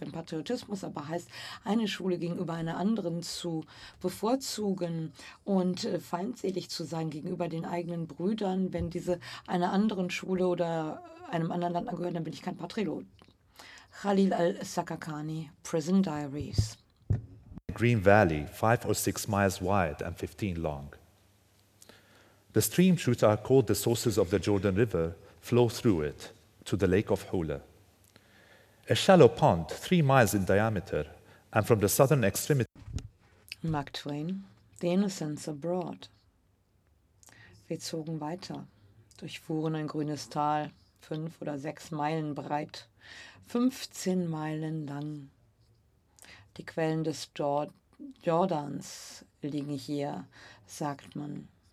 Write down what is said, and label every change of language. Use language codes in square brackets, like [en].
[de] Wenn Patriotismus aber heißt, eine Schule gegenüber einer anderen zu bevorzugen und feindselig zu sein gegenüber den eigenen Brüdern, wenn diese einer anderen Schule oder einem anderen Land angehören, dann bin ich kein Patriot. [en] Khalil al-Sakakani, Prison Diaries. Green Valley, 5 or 6 miles wide and 15 long. The stream shoots are called the sources of the Jordan River, flow through it to the Lake of Hule. A shallow pond, 3 miles in diameter, and from the southern extremity. Mark Twain, The Innocents Abroad. [de] Wir zogen weiter, durchfuhren ein grünes Tal, 5 oder 6 Meilen breit, 15 Meilen lang. Die Quellen des Jordans liegen hier, sagt man.